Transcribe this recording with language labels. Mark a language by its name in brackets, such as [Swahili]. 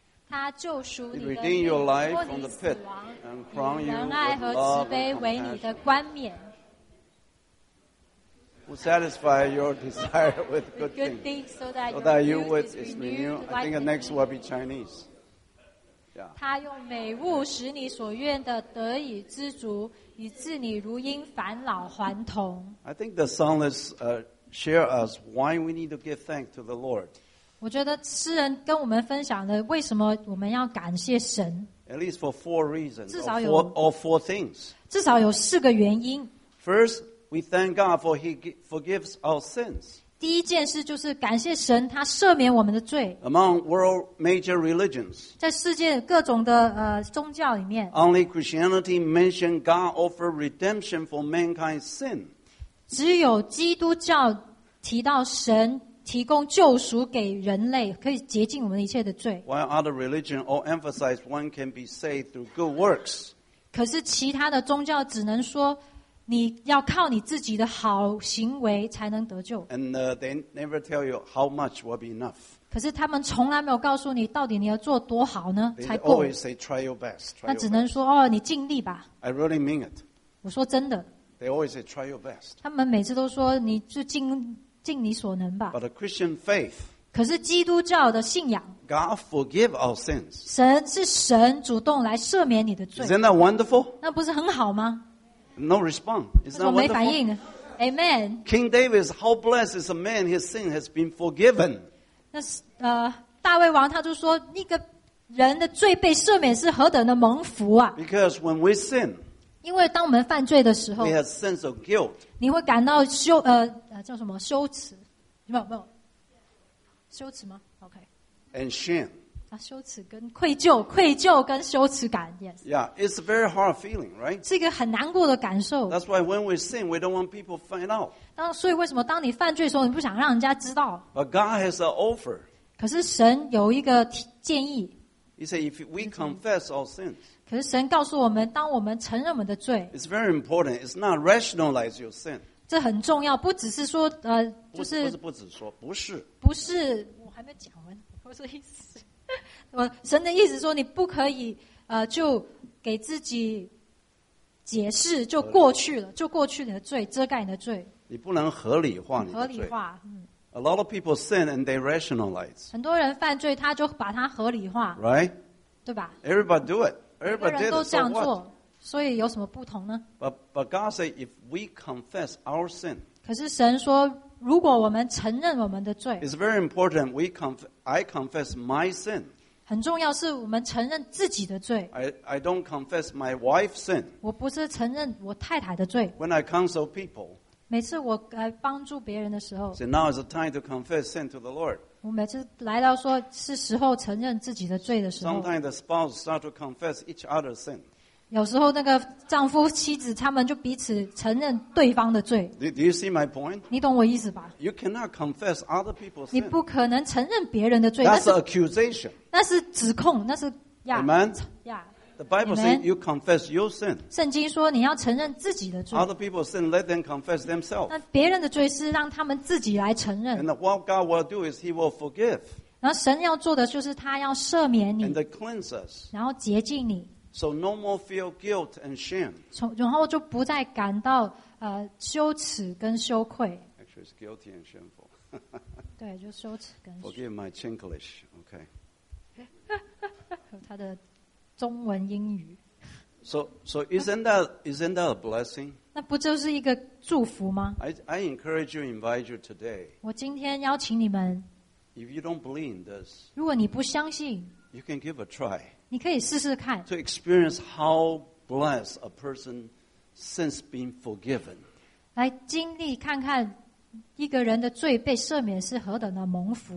[English] he redeem your life from the pit and crown you with love and compassion, who satisfy your desire with good things, so that your youth is renewed. I think the next will be Chinese. Yeah. [Chinese] 他用美物使你所愿的得以知足。以致你如因返老还童。 [English] I think the psalmist share us why we need to give thanks to the Lord. [Chinese] 我觉得诗人跟我们分享了为什么我们要感谢神。 [English] At least for four reasons. [Chinese] 至少有 [English] four things. [Chinese] 至少有四个原因。 [English] First, we thank God for He forgives our sins. [Chinese] 第一件事就是感谢神，他赦免我们的罪。 [English] Among world major religions, [Chinese] 在世界各种的宗教里面 [English] ，Only Christianity mentioned God offered redemption for mankind's sin. [Chinese] 只有基督教提到神提供救赎给人类，可以洁净我们一切的罪。 [English] While other religions all emphasize one can be saved through good works. [Chinese] 可是其他的宗教只能说。你要靠你自己的好行为才能得救。 [English] And they never tell you how much will be enough. [Chinese] 可是他们从来没有告诉你到底你要做多好呢才 [English] 够。They always say try your best. [Chinese] 那只能说哦，你尽力吧。 [English] I really mean it. [Chinese] 我说真的。 [English] They always say try your best. [Chinese] 他们每次都说你就尽你所能吧。 [English] But a Christian faith. [Chinese] 可是基督教的信仰。 [English] God forgive our sins. [Chinese] 神是神主动来赦免你的罪。 [English] Isn't that wonderful? [Chinese] 那不是很好吗？ [English] No response. Is that wonderful? Amen. King David, how blessed is a man his sin has been forgiven. [Chinese] 那大卫王他就说那个人的罪被赦免是何等的蒙福啊。 [English] Because when we sin, [Chinese] 因为当我们犯罪的时候 [English] we have sense of guilt. [Chinese] 你会感到羞叫什么羞耻？没有羞耻吗 ？OK. [English] And shame. [Chinese] 羞耻跟愧疚跟羞耻感 ，yes。 [English] Yeah, it's a very hard feeling, right? [Chinese] 是一个很难过的感受。 [English] That's why when we sin, we don't want people find out. [Chinese] 当所以为什么当你犯罪的时候，你不想让人家知道 [English] ？But God has an offer. [Chinese] 可是神有一个建议。 [English] He said, if we confess our sins. [Chinese] 可是神告诉我们，当我们承认我们的罪 [English] ，it's very important. It's not rationalize your sin. [Chinese] 这很重要，不只是说就是不只说不是不是，我还没讲完，我说意思。神的意思说你不可以就给自己解释就过去了就过去你的罪遮盖你的罪你不能合理化你的罪合理化、 [English] A lot of people sin and they rationalize [Chinese] 很多人犯罪他就把它合理化 [English] right [Chinese] 对吧 [English] everybody do it everybody did it [Chinese] 每个人都这样做所以有什么不同呢 [English] but God said if we confess our sin [Chinese] 可是神说如果我们承认我们的罪 [English] It's very important we I confess my sin [Chinese] 很重要是我们承认自己的罪 [English] I don't confess my wife's sin [Chinese] 我不是承认我太太的罪 [English] When I counsel people [Chinese] 每次我来帮助别人的时候 [English] So now is the time to confess sin to the Lord [Chinese] 我每次来到说是时候承认自己的罪的时候 [English] Sometimes the spouse start to confess each other's sin [Chinese] 有时候那个丈夫妻子他们就彼此承认对方的罪 [English] Do you see my point? [Chinese] 你懂我意思吧 [English] You cannot confess other people's sin [Chinese] 你不可能承认别人的罪 [English] That's an accusation [Chinese] 那是指控那是 yeah, [English] Amen yeah. The Bible、 Amen. says you confess your sin [Chinese] 圣经说你要承认自己的罪 [English] Other people's sin let them confess themselves [Chinese] 那别人的罪是让他们自己来承认 [English] And what God will do is he will forgive [Chinese] 然后神要做的就是他要赦免你 [English] and to cleanse us. [Chinese] 然后洁净你 [English] so no more feel guilt and shame. [Chinese] 然后就不再感到羞耻跟羞愧 [English] actually it's guilty and shameful [Chinese] 对就羞耻跟羞 [English] forgive my Chinglish okay [Chinese] 他的中文英语 [English] so isn't that a blessing [Chinese] 那不就是一个祝福吗 [English] I encourage you invite you today [Chinese] 我今天邀请你们 [English] If you don't believe in this, [Chinese] 如果你不相信 [English] you can give a try [Chinese] 你可以试试看 [English] to experience how blessed a person since being forgiven [Chinese] 来经历看看一个人的罪被赦免是何等的蒙福